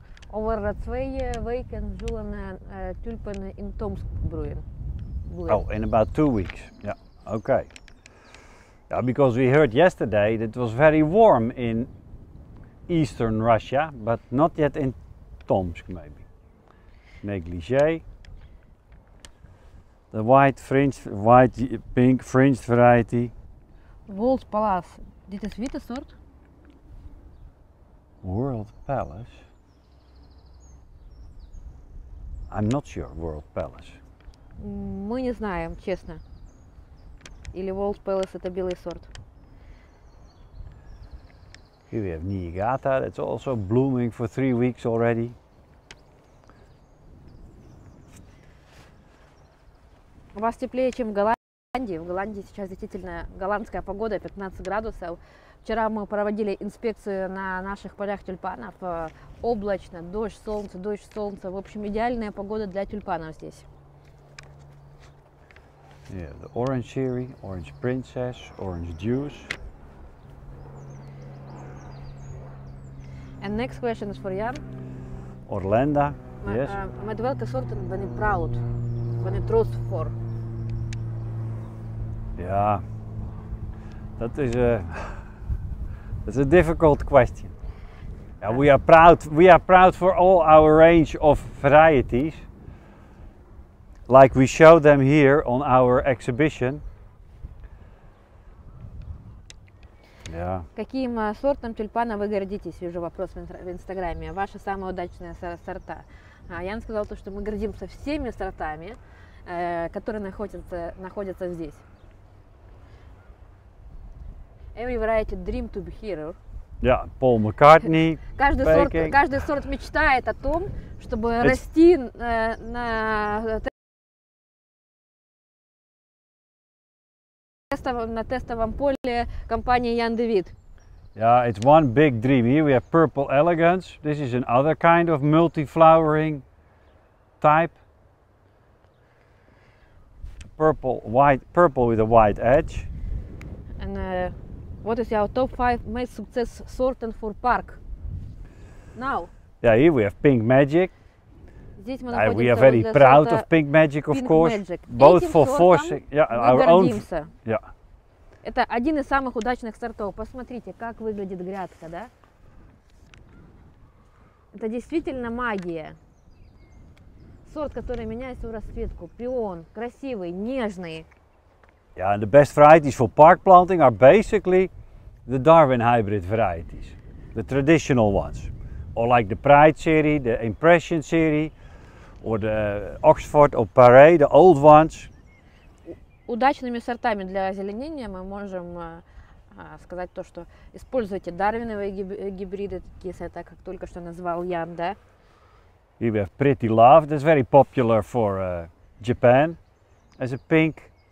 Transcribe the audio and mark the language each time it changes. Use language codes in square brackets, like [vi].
[nl] Over twee weken zullen tulpen in Tomsk bloeien. [en] Oh, in about 2 weeks. Yeah. Okay. Yeah, because we heard yesterday that it was very warm in eastern Russia, but not yet in Tomsk, maybe. Negligé. The white fringed, white pink fringed variety. [nl] World Palace. Dit is witte soort. [en] World Palace. I'm not sure, World Palace. [ru] Мы не знаем, честно. Или World Palace это белый сорт. [en] Here we have Niigata, that's also blooming for 3 weeks already. [ru] У вас теплее, чем в Голландии. В Голландии сейчас действительно голландская погода, 15 градусов. Вчера мы проводили инспекцию на наших полях тюльпанов. Облачно, дождь, солнце, в общем, идеальная погода для тюльпанов здесь. [en] Yeah, the orange cherry, orange princess, orange juice. And next question is for Jan. Orlando, yes. [nl] Met welke soorten ben je proud, ben je trots voor? Ja, dat is een... [en] It's a difficult question. Yeah, we are proud. We are proud for all our range of varieties, like we show them here on our exhibition. Yeah. [ru] Каким сортом тюльпана вы гордитесь? Вижу вопрос в Инстаграме. Ваши самые удачные сорта. Ян сказал то, что мы гордимся всеми сортами, которые находятся здесь. [en] Every variety dream to be here. Yeah, Paul McCartney. [ru] Каждый сорт мечтает о том, чтобы расти на тестовом поле компании Ян де Вит. [en] Yeah, it's one big dream. Here we have Purple Elegance. This is another kind of multi-flowering type. Purple, white, purple with a white edge. And what is your top 5 most success sorten for park? Now. Yeah, here we have Pink Magic. We are very proud of Pink Magic, of course. Both for forcing, our own. Yeah. [ru] Это один из самых удачных сортов. Посмотрите, как выглядит грядка, да? Это действительно магия. Сорт, который меняет свою расцветку. Пион, красивый, нежный. [en] Yeah, and the best varieties for park planting are basically the Darwin hybrid varieties, the traditional ones, or like the Pride series, the Impression series, or the Oxford or Paré, the old ones. [ru] Удачными сортами для озеленения мы можем сказать то, что используйте дарвиновые гибриды, такие, как только что назвал Ян, да? [en] Here we have Pretty Love, that's very popular for Japan, as a pink